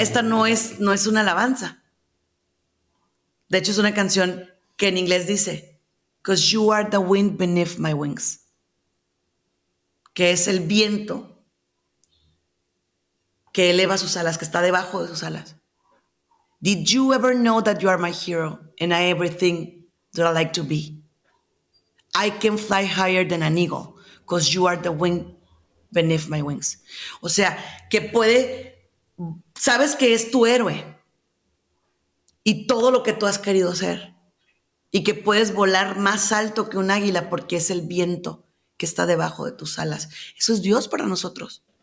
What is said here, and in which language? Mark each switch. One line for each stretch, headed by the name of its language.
Spanish: Esta no es una alabanza. De hecho, es una canción que en inglés dice,
English: 'Cause you are the wind beneath my wings.
Spanish: Que es el viento que eleva sus alas, que está debajo de sus alas.
English: Did you ever know that you are my hero and I everything that I like to be? I can fly higher than an eagle because you are the wind beneath my wings.
Spanish: O sea, que puede, sabes que es tu héroe y todo lo que tú has querido ser, y que puedes volar más alto que un águila porque es el viento que está debajo de tus alas. Eso es Dios para nosotros.